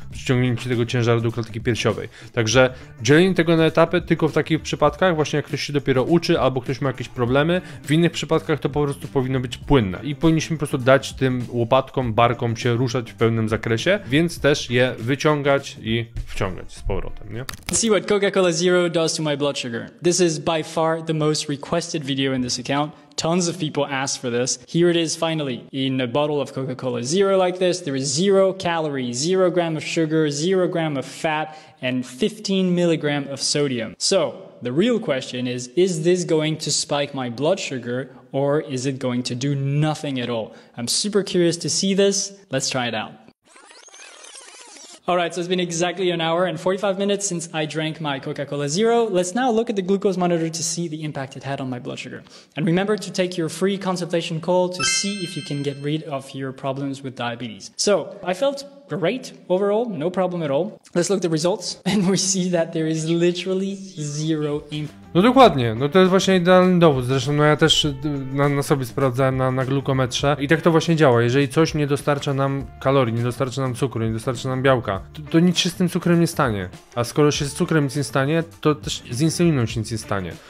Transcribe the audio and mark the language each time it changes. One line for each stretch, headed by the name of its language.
Polish: Przeciągnięcie tego ciężaru do klatki piersiowej. Także dzielenie tego na etapy tylko w takich przypadkach, właśnie jak ktoś się dopiero uczy albo ktoś ma jakieś problemy. W innych przypadkach to po prostu powinno być płynne. I powinniśmy po prostu dać tym łopatkom, barkom się ruszać w pełnym zakresie, więc też je wyciągać i wciągać z powrotem, nie?
English: See what Coca-Cola Zero does to my blood sugar. This is by far the most requested video in this account. Tons of people ask for this. Here it is finally in a bottle of Coca-Cola Zero like this. There is 0 calorie, 0 gram of sugar, 0 gram of fat and 15 milligram of sodium. So, the real question is this going to spike my blood sugar? Or is it going to do nothing at all? I'm super curious to see this. Let's try it out. All right, so it's been exactly an hour and 45 minutes since I drank my Coca-Cola Zero. Let's now look at the glucose monitor to see the impact it had on my blood sugar. And remember to take your free consultation call to see if you can get rid of your problems with diabetes. So I felt great overall, no problem at all. Let's look at the results and we see that there is literally zero impact.
Polish: No dokładnie, no to jest właśnie idealny dowód. Zresztą no ja też na sobie sprawdzałem na glukometrze i tak to właśnie działa. Jeżeli coś nie dostarcza nam kalorii, nie dostarcza nam cukru, nie dostarcza nam białka, to nic się z tym cukrem nie stanie. A skoro się z cukrem nic nie stanie, to też z insuliną się nic nie stanie.